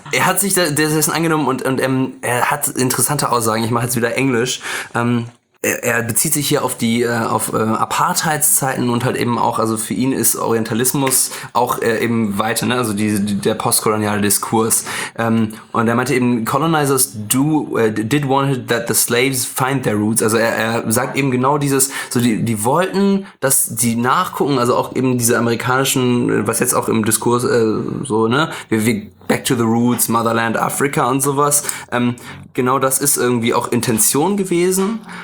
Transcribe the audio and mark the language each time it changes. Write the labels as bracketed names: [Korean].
[German] Er hat sich dessen angenommen und er hat interessante Aussagen. Ich mache jetzt wieder Englisch. Er bezieht sich hier auf die Apartheidszeiten und halt eben auch, also für ihn ist Orientalismus auch eben weiter, ne? Also der postkoloniale Diskurs. Und er meinte eben, [English] colonizers did want that the slaves find their roots. [German] Also er sagt eben genau dieses, so die wollten, dass die nachgucken, also auch eben diese amerikanischen, was jetzt auch im Diskurs so, ne? Wir [English] back to the roots, [German] Motherland Africa und sowas. Genau das ist irgendwie auch Intention gewesen.